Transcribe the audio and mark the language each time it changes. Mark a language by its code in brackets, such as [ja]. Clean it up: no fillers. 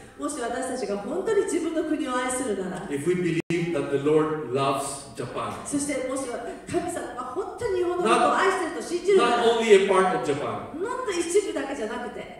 [ja] もし私たちが本当に自分の国を愛するなら、 [en] If we believe that the Lord loves Japan, [ja] そしてもし神様が本当に日本の国を愛していると信じるなら、 [en] not only a part of Japan, [ja] もっと一部だけじゃなくて、